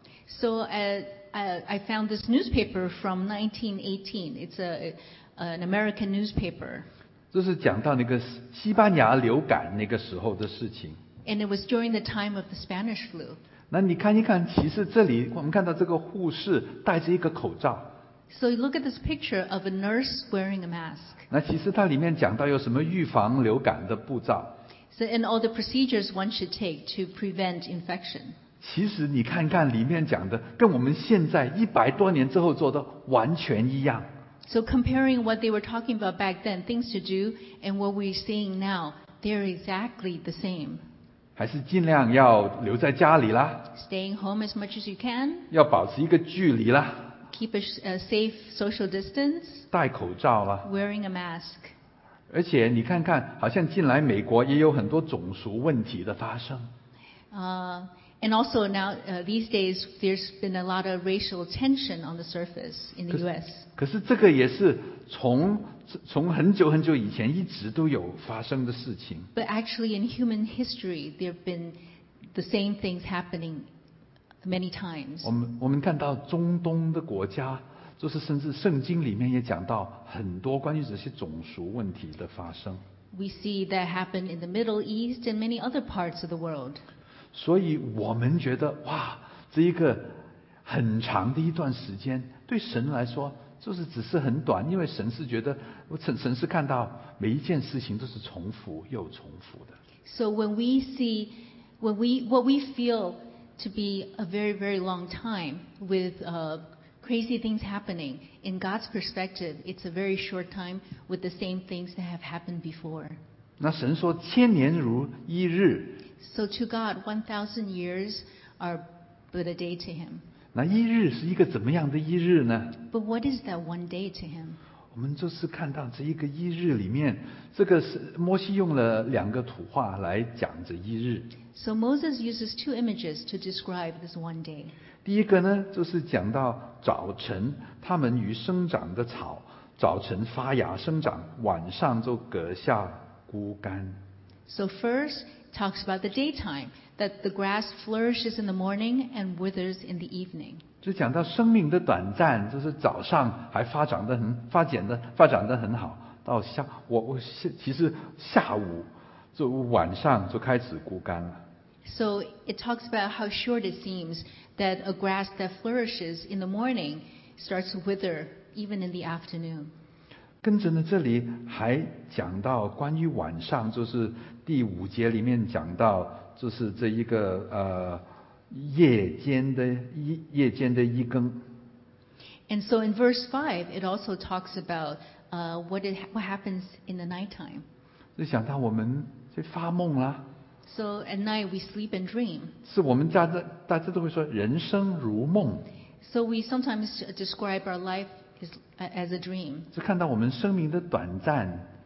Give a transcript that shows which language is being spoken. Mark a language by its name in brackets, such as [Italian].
[English] So I found this newspaper from 1918. It's an American newspaper. [Chinese] 这是讲到那个西班牙流感那个时候的事情。 [English] And it was during the time of the Spanish flu. [Chinese] 那你看一看，其实这里我们看到这个护士戴着一个口罩。 [English] So you look at this picture of a nurse wearing a mask. [Chinese] 那其实它里面讲到有什么预防流感的步骤。 [English] So and all the procedures one should take to prevent infection. [Chinese] 其实你看看里面讲的，跟我们现在一百多年之后做的完全一样。 [English] So comparing what they were talking about back then, things to do, and what we're seeing now, they're exactly the same. [Chinese] 还是尽量要留在家里啦。 [English] Staying home as much as you can. [Chinese] 要保持一个距离啦。 [English] Keep a safe social distance. [Chinese] 戴口罩啦。 [English] Wearing a mask. [Chinese] 而且你看看，好像近来美国也有很多种族问题的发生。 [English] And also now, these days, there's been a lot of racial tension on the surface in the U.S. [Chinese] 可是这个也是从很久很久以前一直都有发生的事情。 [English] But actually, in human history, there have been the same things happening many times. [Chinese] 我们看到中东的国家，就是甚至圣经里面也讲到很多关于这些种族问题的发生。 [English] We see that happen in the Middle East and many other parts of the world. [Chinese] 所以我们觉得哇，这一个很长的一段时间对神来说就是只是很短，因为神是觉得神是看到每一件事情都是重复又重复的。 [English] So when we see what we feel to be a very very long time with crazy things happening in God's perspective, it's a very short time with the same things that have happened before. [Chinese] 那神说千年如一日。 [English] So to God, 1,000 years are but a day to Him. [Chinese] 那一日是一个怎么样的一日呢？ [English] But what is that one day to Him? [Chinese] 我们就是看到这一个一日里面，这个是摩西用了两个图画来讲这一日。 [English] So Moses uses two images to describe this one day. [Chinese] 第一个呢，就是讲到早晨，他们与生长的草，早晨发芽生长，晚上就割下枯干。 [English] So first,talks about the daytime, that the grass flourishes in the morning and withers in the evening. [Chinese] 就讲到生命的短暂，就是早上还发展得很好，到下我其实下午就晚上就开始枯干了。 [English] So it talks about how short it seems that a grass that flourishes in the morning starts to wither even in the afternoon. [Chinese] 跟着呢，这里还讲到关于晚上，就是。第五节里面讲到，就是这一个夜间的一更。 [English] And so in verse 5, it also talks about what happens in the nighttime. [Chinese] 就想到我们就发梦了。 [English] So at night we sleep and dream. [Chinese] 是我们大家都会说人生如梦。 [English] So we sometimes describe our life as a dream. [Chinese] 就看到我们生命的短暂。